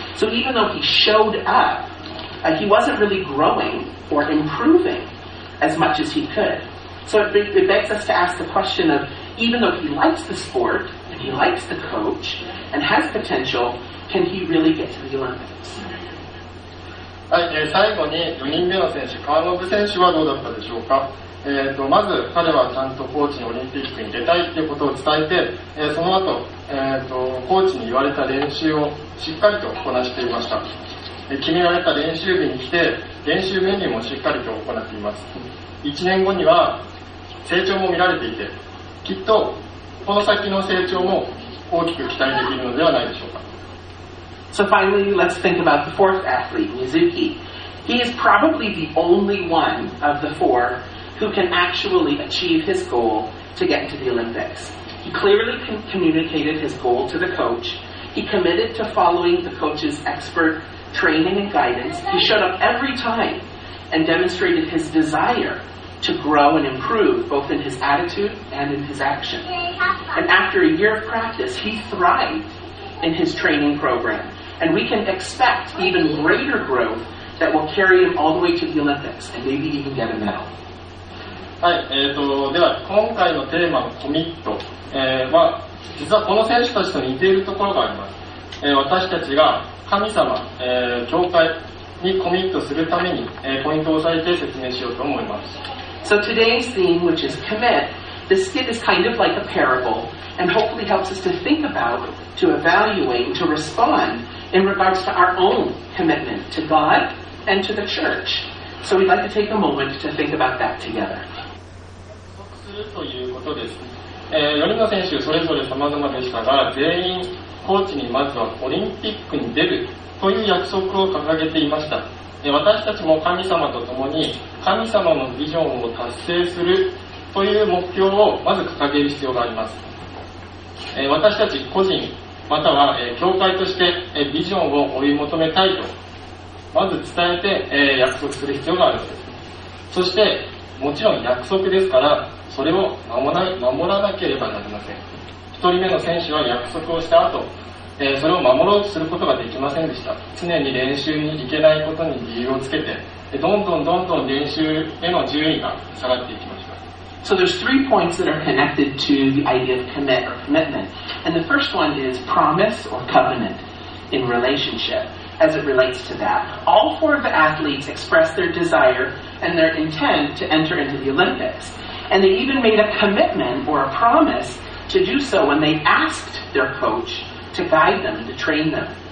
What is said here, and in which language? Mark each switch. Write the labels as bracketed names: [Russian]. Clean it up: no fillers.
[English] So even though he showed up, he wasn't really growing or improving as much as he could. So it begs us to ask the question of, even though he likes the sport, and he likes the coach, and has potential, can he really get to the Olympics? [Japanese] はい、最後に4人目の選手、川信選手はどうだったでしょうか。まず彼はちゃんとコーチにオリンピックに出たいということを伝えて、その後、コーチに言われた練習をしっかりとこなしていました。決められた練習日に来て練習メニューもしっかりと行っています。 1年後には成長も見られていて、きっとこの先の成長も大きく期待できるのではないでしょうか。 [English] So finally, let's think about the fourth athlete, Mizuki. He is probably the only one of the four who can actually achieve his goal to get into the Olympics. He clearly communicated his goal to the coach. He committed to following the coach's expert training and guidance. He showed up every time and demonstrated his desire to grow and improve, both in his attitude and in his action. And after a year of practice, he thrived in his training program. And we can expect even greater growth that will carry him all the way to the Olympics and maybe even get a medal. [Japanese] はい、では今回のテーマのコミット、実はこの選手たちと似ているところがあります。私たちが神様、教会にコミットするために、ポイントを押さえて説明しようと思います。 [English] So today's theme, which is commit, this skit is kind of like a parable and hopefully helps us to think about, to evaluate, to respond in regards to our own commitment to God and to the church. So we'd like to take a moment to think about that together. [Japanese] するということです。 4人の選手それぞれ様々でしたが、全員コーチにまずはオリンピックに出るという約束を掲げていました。私たちも神様と共に神様のビジョンを達成するという目標をまず掲げる必要があります。私たち個人または教会としてビジョンを追い求めたいとまず伝えて約束する必要があるんです。そしてもちろん約束ですからそれを守らなければなりません。 1人目の選手は約束をした後それを守ろうとすることができませんでした。常に練習に行けないことに理由をつけてどんどんどんどん練習への順位が下がっていきました。 [English] So there's three points that are connected to the idea of commit or commitment. And the first one is promise or covenant in relationship. as it relates to that. All four of the athletes expressed their desire and their intent to enter into the Olympics. And they even made a commitment or a promise to do so when they asked their coach to guide them and to train them.